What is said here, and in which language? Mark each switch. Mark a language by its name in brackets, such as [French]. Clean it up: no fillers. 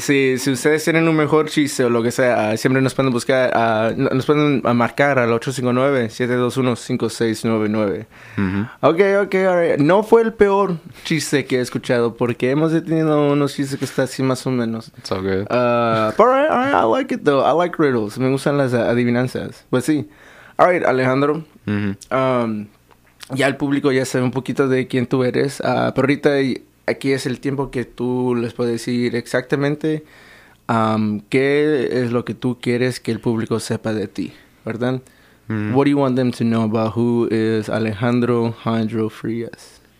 [Spanish] Si ustedes tienen un mejor chiste o lo que sea, siempre nos pueden buscar, nos pueden marcar al 859-721-5699. Mm-hmm. [English] Okay, all right. [Spanish] No fue el peor chiste que he escuchado, porque hemos tenido unos chistes que están así más o menos. [English] It's all good. But all right, I like it though. I like riddles. [Spanish] Me gustan las adivinanzas. Pues sí. [English] All right, [Spanish] Alejandro. Mm-hmm. Ya el público ya sabe un poquito de quién tú eres, pero ahorita aquí es el tiempo que tú les puedes decir exactamente qué es lo que tú quieres que el público sepa de ti, ¿verdad? Mm-hmm. [English] What do you want them to know about who is Alejandro Jandro Frias?